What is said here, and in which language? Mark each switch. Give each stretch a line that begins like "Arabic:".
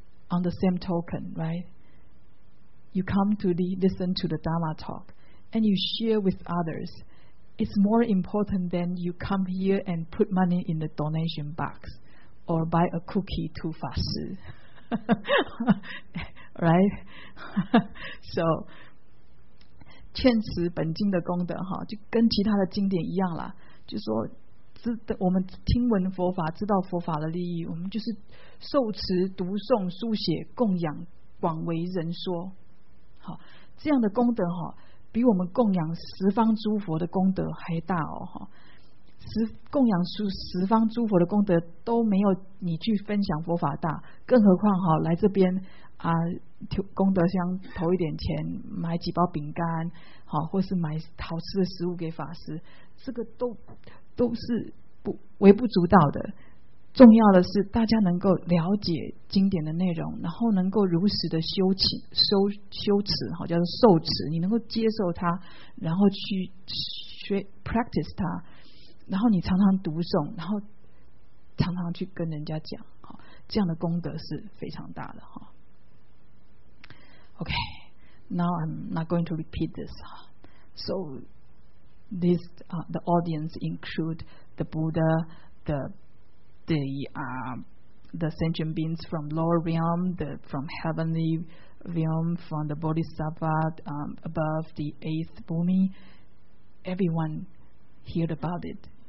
English: On the same token, right? You come to listen to the Dharma talk, and you share with others. It's more important than you come here and put money in the donation box or buy a cookie to Fa Shi. Right?
Chinese: So, 劝持本经的功德就跟其他的经典一样啦，就说我们听闻佛法，知道佛法的利益，我们就是受持、读诵、书写、供养、广为人说。好，这样的功德比我们供养十方诸佛的功德还大哦，供养十方诸佛的功德都没有你去分享佛法大，更何况来这边啊，功德箱投一点钱，买几包饼干，或是买好吃的食物给法师，这个都是微不足道的。重要的是大家能够了解经典的内容，然后能够如实的修持，叫做受持，你能够接受它，然后去学 practice 它，然后你常常读诵，然后常常去跟人家讲，这样的功德是非常大的。
English: OK, now I'm not going to repeat this. So this,the audience include the Buddha, the sentient beings from lower realm, from heavenly realm, from the Bodhisattva above the 8th Bhumi, everyone heard about it.